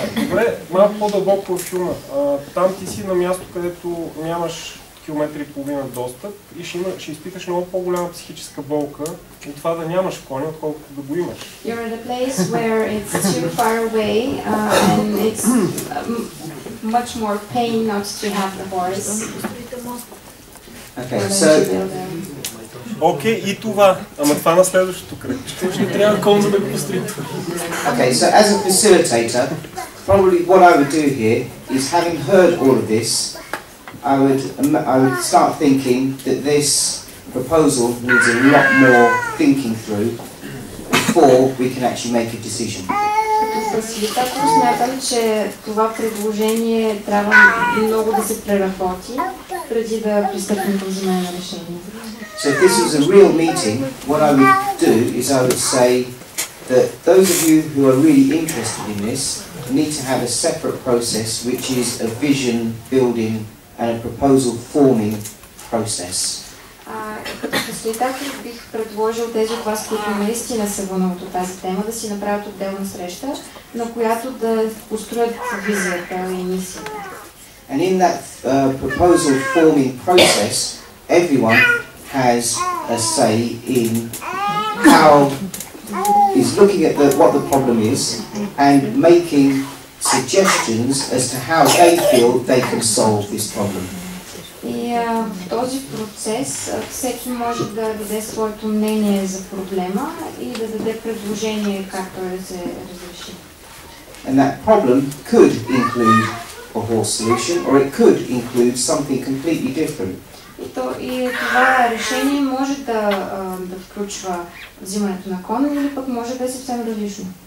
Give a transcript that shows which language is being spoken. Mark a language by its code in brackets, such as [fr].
[bg] Добре, малко по-дълбоко във филма. Там ти си на място, където нямаш километри и половина достъп и ще изпиташ много по-голяма психическа болка от това да нямаш коня, отколкото да го имаш. [en] You're in a place where it's too far away and it's much more pain not to have the horse. Okay, so... [bg] Окей, и това. Ама това на следващото кръг. Ще трябва кон за да го построим това. [en] Окей, so as a facilitator, probably what I would do here is, having heard all of this, I would start thinking that this proposal needs a lot more thinking through before we can actually make a decision. [bg] Фасилитатор, смятам, че това предложение трябва много да се преработи преди да пристъпим до взимане решение. [en] So if this was a real meeting, what I would do is I would say that those of you who are really interested in this need to have a separate process, which is a vision building and a proposal forming process. [bg] Фасилитатор, бих предложил тези от вас, които наистина се вълнуват от тази тема, да си направят отделна среща, на която да построят визията и мисията. [en] And in that proposal forming process, everyone has a say in how is looking at what the problem is and making suggestions as to how they feel they can solve this problem. [bg] И в този процес всеки може да даде своето мнение за проблема и да даде предложение как той да се разреши. [en] And that problem could include a horse solution, or it could include something completely different. [bg] И това решение може да включва взимането на кона или пък може да е съвсем различно.